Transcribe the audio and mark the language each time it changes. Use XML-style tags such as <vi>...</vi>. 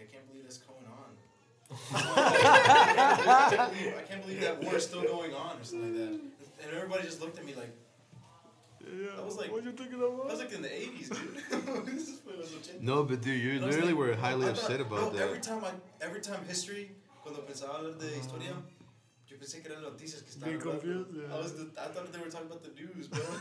<en>I can't believe that's going on. I can't believe that war is still going on or something like that. And everybody just looked at me like, yeah, I was like, what are you thinking about? I was like in the 80s, dude. No, but dude, you literally like, were highly upset about that. Every time history,</en> <es>cuando pensaba hablar de historia, yo pensé que eran noticias que estaban</es> <en>confused. I thought they were talking about the news, bro.</en>